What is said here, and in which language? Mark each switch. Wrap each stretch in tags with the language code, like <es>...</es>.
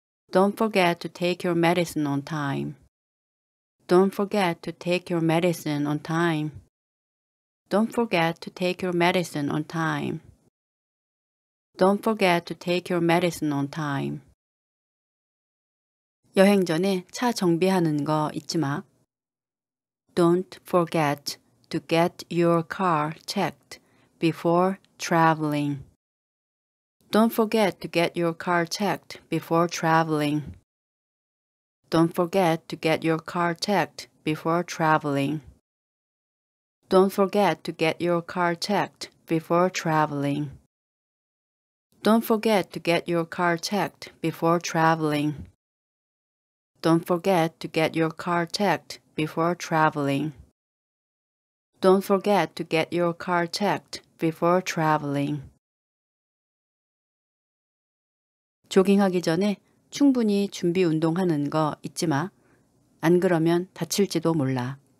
<en>Don't forget to take your medicine on time. Don't forget to take your medicine on time. Don't forget to take your medicine on time. Don't forget to take your medicine on time.</en> <ko>여행 전에 차 정비하는 거 잊지 마.</ko> <en>Don't forget to get your car checked before traveling. Don't forget to get your car checked before traveling. Don't forget to get your car checked before traveling. Don't forget to get your car checked before traveling. Don't forget to get your car checked before traveling. Don't forget to get your car checked before traveling. Don't forget to get your car checked before traveling.</en> <ko>조깅하기 전에 충분히 준비 운동하는 거 잊지 마. 안 그러면 다칠지도 몰라.</ko>